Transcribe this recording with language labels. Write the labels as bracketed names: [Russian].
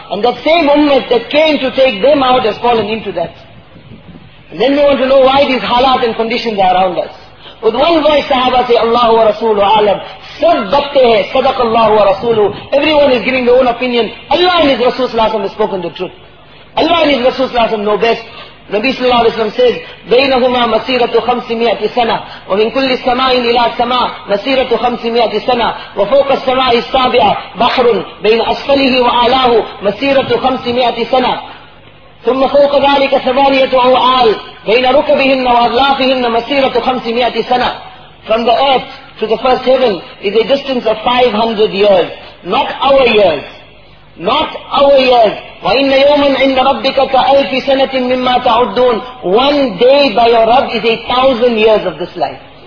[English] And that same ummah that came to take them out has fallen into that. And then we want to know why these halat and conditions are around us. With one voice sahaba say, [Arabic] Allahu wa rasoolu alam. [Urdu] Sab batte hai, [Arabic] sadaq Allahu wa rasoolu. [English] Everyone is giving their own opinion. Allah and His Rasul sallallahu alayhi wa sallam has spoken the truth. Allah and His Rasul sallallahu alayhi wa sallam know best. Nabi sallallahu alayhi wa sallam says, [Arabic] بَيْنَهُمَا مَسِيرَةُ خَمْسِ مِيَةِ سَنَةِ وَمِنْ كُلِّ السَّمَاءٍ إِلَى السَّمَاءِ مَسِيرَةُ خَمْسِ مِيَةِ سَنَةِ وَفَوْقَ السَّمَاءِ السَّابِعَةِ بَحْرٌ بَيْنَ أَسْفَلِهِ وَعَلَاهُ مَسِيرَةُ خَمْسِ مِيَةِ سَنَةِ ثم فوق ذلك ثمانية أوعال بين ركبهن وأظلافهن مسيرة 500 سنة. [English] From the earth to the first heaven is a distance of 500 years, not our years. Not our years. [Arabic] وَإِنَّ يَوْمًا عِنَّ رَبِّكَ كَأَلْفِ سَنَةٍ مِّمَّا تَعُدُّونَ. [English] One day by your Rabb is 1,000 years of this life.